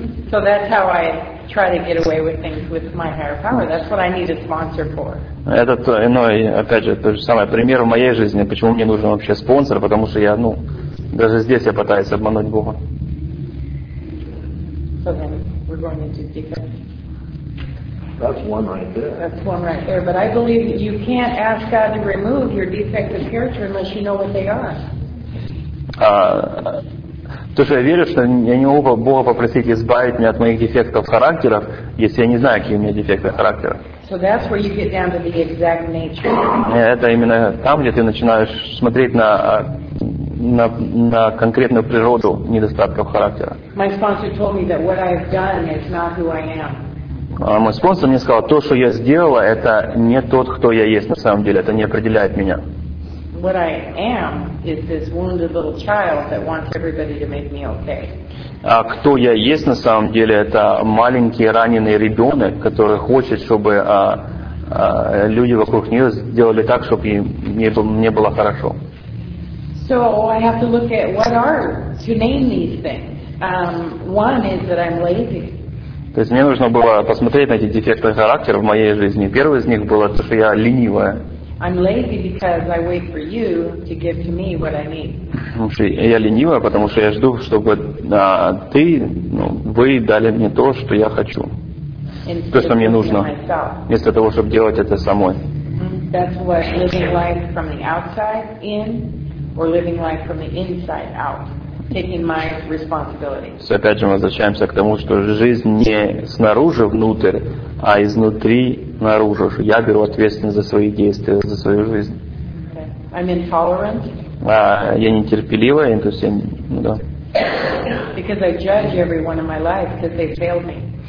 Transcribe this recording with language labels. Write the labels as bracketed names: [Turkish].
[English] So that's how I try to get away with things with my higher power. That's what I need a sponsor for. [Russian] Это то, ну, и опять же, то же самое, пример в моей жизни, почему мне нужен вообще спонсор, потому что я, ну, даже здесь я пытаюсь обмануть Бога. [English] So then we're going into defects. That's one right there. That's one right there. But I believe that you can't ask God to remove your defective character unless you know what they are. [Russian] То, что я верю, что я не могу Бога попросить избавить меня от моих дефектов характера, если я не знаю, какие у меня дефекты характера. [English] So that's where you get down to the exact nature. [Russian] Это именно там, где ты начинаешь смотреть на конкретную природу недостатков характера. [English] My sponsor told me that what I have done is not who I am. [Russian] Мой спонсор мне сказал, то, что я сделала, это не тот, кто я есть на самом деле, это не определяет меня. [English] What I am is this wounded little child that wants everybody to make me okay. [Russian] А кто я есть на самом деле, это маленький раненый ребенок, который хочет, чтобы люди вокруг нее сделали так, чтобы мне было хорошо. [English] So I have to look at what are to name these things. One is that I'm lazy. [Russian] То есть мне нужно было посмотреть на эти дефекты характера в моей жизни. Первый из них был, то, что я ленивая. [English] I'm lazy because I wait for you to give to me what I need. [Russian] Я ленивая, потому что я жду, чтобы ты, ну, вы дали мне то, что я хочу. То, что мне нужно. Вместо того, чтобы делать это самой. [English] That's what living life from the outside in or living life from the inside out. Taking my responsibility. [Russian] So, опять же, мы возвращаемся к тому, что жизнь не снаружи внутрь, а изнутри наружу. Я беру ответственность за свои действия, за свою жизнь. [English] Okay. I'm intolerant. [Russian] Я нетерпеливая, то есть я, ну, да. [English] Because I judge everyone in my life because they failed me.